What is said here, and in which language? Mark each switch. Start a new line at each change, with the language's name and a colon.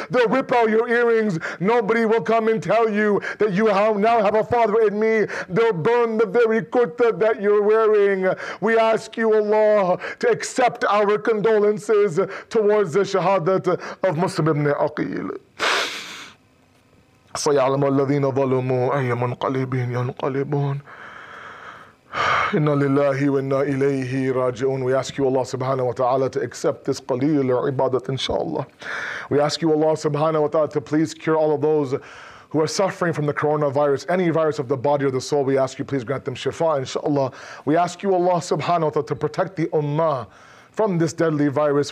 English: They'll rip out your earrings. Nobody will come and tell you that you now have a father in me. They'll burn the very kurta that you're wearing. We ask you, Allah, to accept our condolences towards the shahadat of Mus'ab ibn Aqil.
Arabic: سيعلم الذين ظلموا أي منقلبين ينقلبون إن لله وإنا إليه راجعون.
English: We ask you, Allah subhanahu wa ta'ala, to accept this qaleel ibadat inshallah. We ask you, Allah subhanahu wa ta'ala, to please cure all of those who are suffering from the coronavirus, any virus of the body or the soul. We ask you, please grant them shifa inshallah. We ask you, Allah subhanahu wa ta'ala, to protect the ummah from this deadly virus.